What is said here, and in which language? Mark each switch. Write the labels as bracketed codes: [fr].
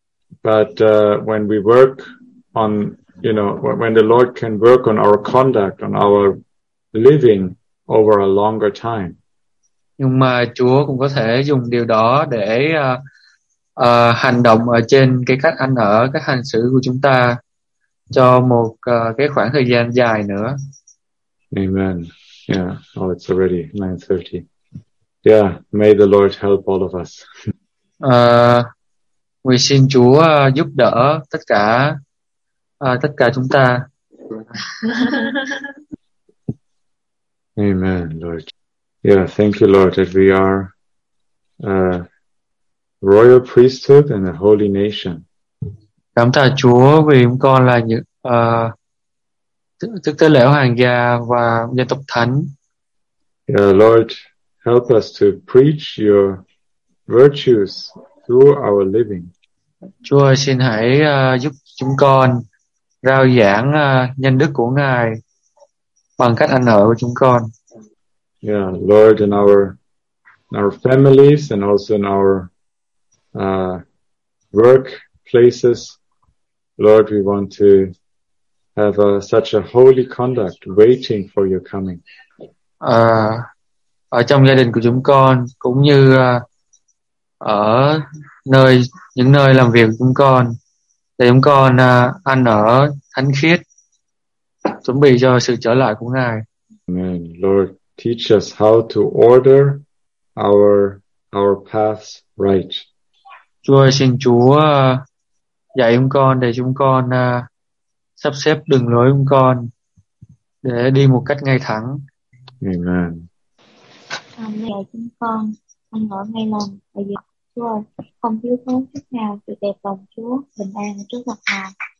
[en] But when we work on, you know, when the Lord can work on our conduct, on our living over a longer time. [vi] Nhưng mà Chúa cũng có thể dùng điều đó để hành động ở trên cái cách ăn ở, cái hành xử của chúng ta cho một cái khoảng thời gian dài nữa. [en] Amen. Yeah. Oh, it's already 9:30. Yeah. May the Lord help all of us. [vi] Nguyện xin Chúa giúp đỡ tất cả chúng ta. [en] Amen, Lord. Yeah, thank you, Lord, that we are a royal priesthood and a holy nation. [vi] Cảm tạ Chúa vì chúng con là những thức tế lễ hoàng gia và dân tộc thánh. [en] Yeah, Lord, help us to preach your virtues through our living. [vi] Chúa ơi, xin hãy giúp chúng con rao giảng nhân đức của Ngài bằng cách ăn ở của chúng con. [en] Yeah, Lord, in our families and also in our work places, Lord, we want to have such a holy conduct waiting for your coming. [vi] Ở trong gia đình của chúng con cũng như ở những nơi làm việc của chúng con, để chúng con ăn ở thánh khiết, chuẩn bị cho sự trở lại của Ngài. [en] Amen, Lord. Teach us how to order our paths right. [vi] Chúa xin Chúa dạy chúng con để chúng con sắp xếp đường lối chúng con để đi một cách ngay thẳng. [en] Amen. Mẹ [vi] chúng con ăn ở ngay lòng và dạy Chúa không thiếu thốn chút nào sự đẹp lòng Chúa bình an trước mặt Ngài.